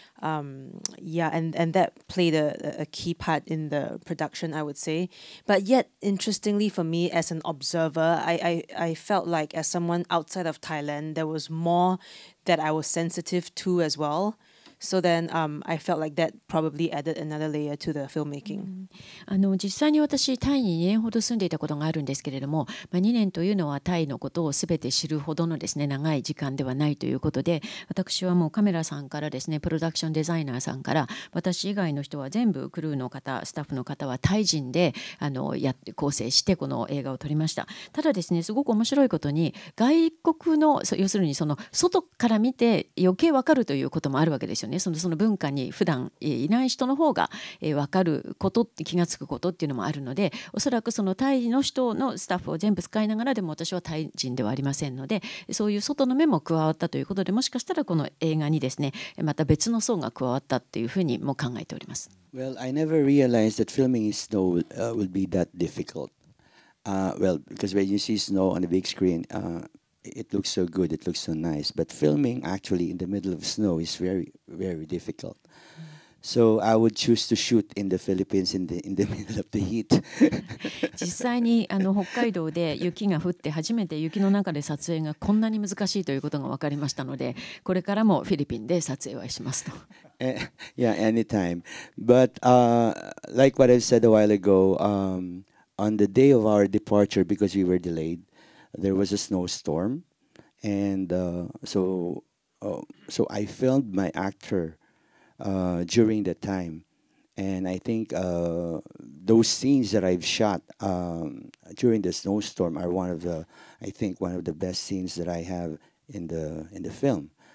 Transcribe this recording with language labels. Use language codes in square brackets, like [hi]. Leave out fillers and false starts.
[en] And that played a key part in the production, I would say. But yet, interestingly for me as an observer, I felt like as someone outside of Thailand, there was more that I was sensitive to as well. So then, I felt like that probably added another layer to the filmmaking. [ja] 実際に私タイに2年ほど住んでいたことがあるんですけれども、2年というのはタイのことをすべて知るほどのですね長い時間ではないということで、私はもうカメラさんからですね、プロダクションデザイナーさんから、私以外の人は全部クルーの方、スタッフの方はタイ人で構成してこの映画を撮りました。ただですね、すごく面白いことに外国の、要するにその外から見て余計わかるということもあるわけですよ。その文化に普段いない人の方が分かること、気がつくことっていうのもあるので、おそらくそのタイの人のスタッフを全部使いながら、でも私はタイ人ではありませんので、そういう外の目も加わったということで、もしかしたらこの映画にですねまた別の層が加わったっていうふうにも考えております。 [en] Well, I never realized that filming in snow would be that difficult. Well, because when you see snow on the big screen, it looks so good, it looks so nice. But filming actually in the middle of snow is very, very difficult. So I would choose to shoot in the Philippines in the middle of the heat. [ja] 実際に北海道で雪が降って初めて雪の中で撮影がこんなに難しいということが分かりましたので、これからもフィリピンで撮影はしますと。 [en] Yeah, anytime. But like what I said a while ago, on the day of our departure, because we were delayed,There was a snowstorm, and so I filmed my actor during that time, and I think those scenes that I've shot during the snowstorm are one of the best scenes that I have in the film.